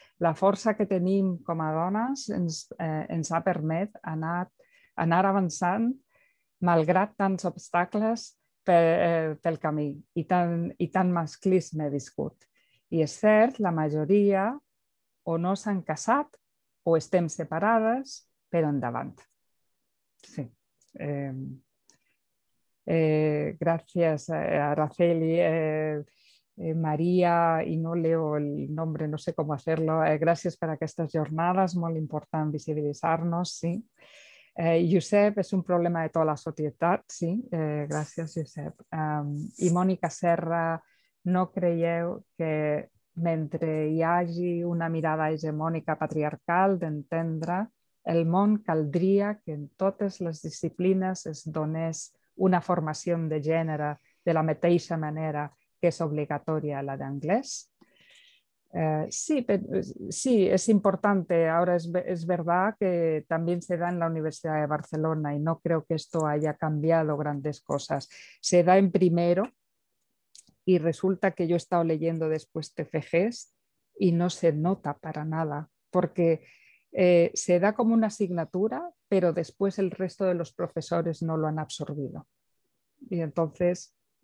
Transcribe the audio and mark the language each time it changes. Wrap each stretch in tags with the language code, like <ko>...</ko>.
<ca>La força que tenim com a dones ens ha permès anar avançant malgrat tants obstacles pel camí i tant masclisme viscut. I és cert, la majoria o no s'han casat o estem separades, però endavant. Sí.</ca> <es>Gracias a Araceli, María, y no leo el nombre, no sé cómo hacerlo. Gracias por estas jornadas, muy importante visibilizarnos. Sí. Josep, es un problema de toda la sociedad. Sí. Gracias, Josep.</es> <ca>Y Mónica Serra, no creieu que mentre hi hagi una mirada hegemònica patriarcal d'entendre el món, caldria que en totes les disciplines es donés una formació de gènere de la mateixa manera que és obligatòria la d'anglès.</ca> <es>Sí, pero, sí, es importante. Ahora es verdad que también se da en la Universidad de Barcelona y no creo que esto haya cambiado grandes cosas. Se da en primero y resulta que yo he estado leyendo después TFGs y no se nota para nada, porque se da como una asignatura, pero después el resto de los profesores no lo han absorbido. Y entonces...</es>